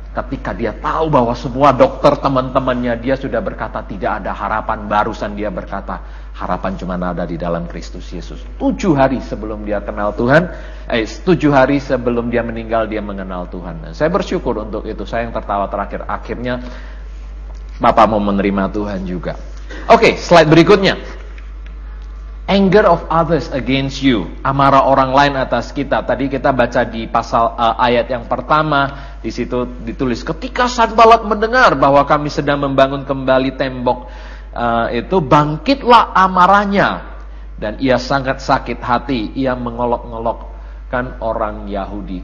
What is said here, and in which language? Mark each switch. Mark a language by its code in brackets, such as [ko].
[id] Ketika dia tahu bahwa semua dokter teman-temannya dia sudah berkata tidak ada harapan, barusan dia berkata harapan cuma ada di dalam Kristus Yesus. 7 hari sebelum dia kenal Tuhan, 7 hari sebelum dia meninggal dia mengenal Tuhan. Dan saya bersyukur untuk itu. Saya yang tertawa terakhir, akhirnya Bapak mau menerima Tuhan juga. Oke, slide berikutnya. [en] Anger of others against you. [id] Amarah orang lain atas kita. Tadi kita baca di pasal ayat yang pertama, di situ ditulis, ketika Sanbalat mendengar bahwa kami sedang membangun kembali tembok itu, bangkitlah amarahnya. Dan ia sangat sakit hati, ia mengolok-ngolokkan orang Yahudi.